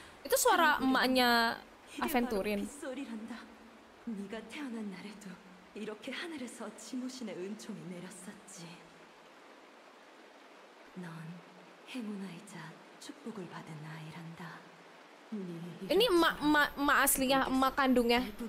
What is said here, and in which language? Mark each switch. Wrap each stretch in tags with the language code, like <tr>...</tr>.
<id>itu suara emaknya Aventurin.</id> <ko>빗소리란다. 네가 태어난 날에도 이렇게 하늘에서 지모신의 은총이 내렸었지. 넌 행운아이자 축복을 받은 아이란다.</ko> <id>Ini emak aslinya, emak kandungnya.</id>